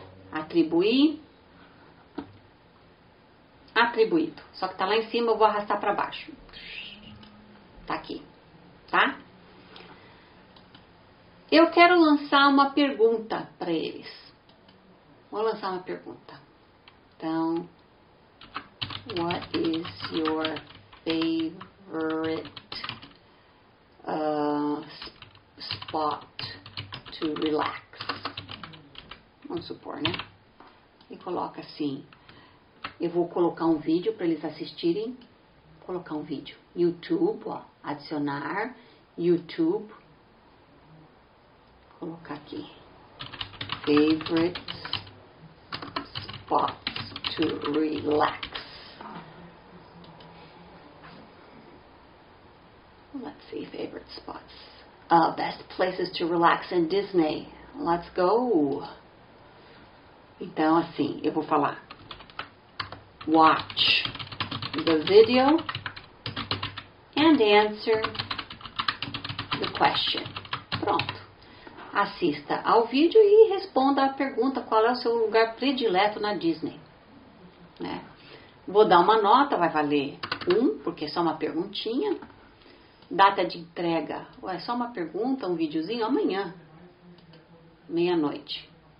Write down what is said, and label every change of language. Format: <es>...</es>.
<pt>Atribuído, só que tá lá em cima, eu vou arrastar pra baixo. Tá aqui, tá? Eu quero lançar uma pergunta para eles. Vou lançar uma pergunta.</pt> <en>Então, what is your favorite spot to relax?</en> <pt>Vamos supor, né? E coloca assim. Eu vou colocar um vídeo para eles assistirem. Vou colocar um vídeo. YouTube, ó. Adicionar YouTube. Colocar aqui.</pt> <en>Favorite spots to relax. Let's see, favorite spots. Best places to relax in Disney. Let's go.</en> <pt>Então, assim, eu vou falar.</pt> <en>Watch the video and answer the question.</en> <pt>Pronto. Assista ao vídeo e responda a pergunta qual é o seu lugar predileto na Disney. Né? Vou dar uma nota, vai valer 1, porque é só uma perguntinha. Data de entrega, ou é só uma pergunta, um videozinho, amanhã, meia-noite.</pt>